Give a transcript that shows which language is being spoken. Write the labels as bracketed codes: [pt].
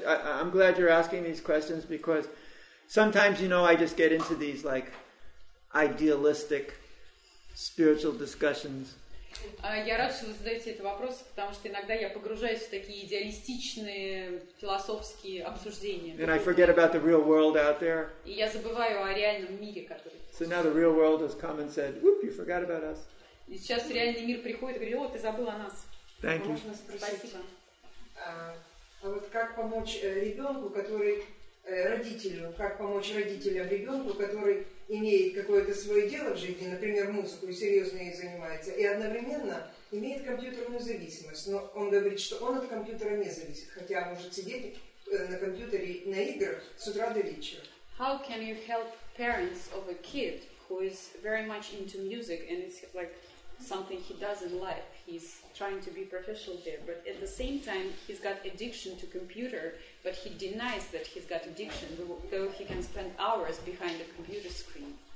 [en] I'm glad you're asking these questions because sometimes, you know, I just get into these like idealistic spiritual discussions. [ru] Я рад, что вы задаете этот вопрос, потому что иногда я погружаюсь в такие идеалистичные философские обсуждения. [en] And I forget about the real world out there. [ru] И я забываю о реальном мире, который. [en] So now the real world has come and said, "Whoop, you forgot about us." [ru] И сейчас реальный мир приходит и говорит: "О, ты забыл о нас." [en] Thank you. [ru] Можно спросить? Спасибо. А вот как помочь ребенку, который родителю, как помочь родителям ребенку, который имеет какое-то свое дело в жизни, например, музыку, и серьезно ей занимается, и одновременно имеет компьютерную зависимость. Но он говорит, что он от компьютера не зависит, хотя может сидеть на компьютере, на играх с утра до вечера. [en] How can you help parents of a kid who is very much into music and is like something he doesn't like. He's trying to be professional there, but at the same time, he's got addiction to computer, but he denies that he's got addiction, though he can spend hours behind a computer screen.